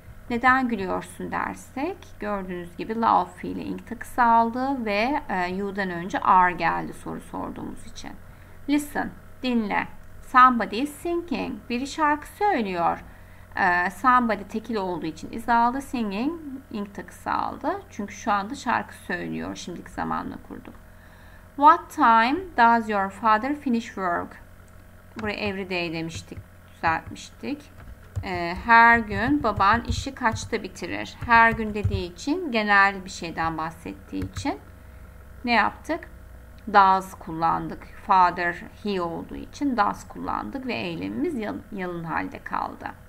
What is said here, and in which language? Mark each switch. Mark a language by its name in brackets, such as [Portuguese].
[Turkish] Neden gülüyorsun dersek, gördüğünüz gibi laugh fiili ilk tıkısı aldı ve you'dan önce are geldi soru sorduğumuz için. [English] Listen, [Turkish] dinle. [English] Somebody is singing. [Turkish] Biri şarkı söylüyor. Somebody tekil olduğu için is aldı. Singing ink takısı aldı. Çünkü şu anda şarkı söylüyor. Şimdiki zamanla kurduk. [English] What time does your father finish work? [Turkish] Buraya every day demiştik. Düzeltmiştik. Her gün baban işi kaçta bitirir? Her gün dediği için genel bir şeyden bahsettiği için ne yaptık? Does kullandık. Father, he olduğu için does kullandık ve eylemimiz yalın halde kaldı.